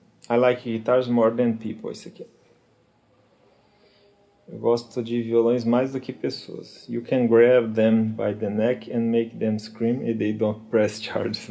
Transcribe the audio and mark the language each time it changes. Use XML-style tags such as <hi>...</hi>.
<en>I like guitars more than people,</en> <pt>esse aqui. Eu gosto de violões mais do que pessoas.</pt> <en>You can grab them by the neck and make them scream and they don't press charge.</en>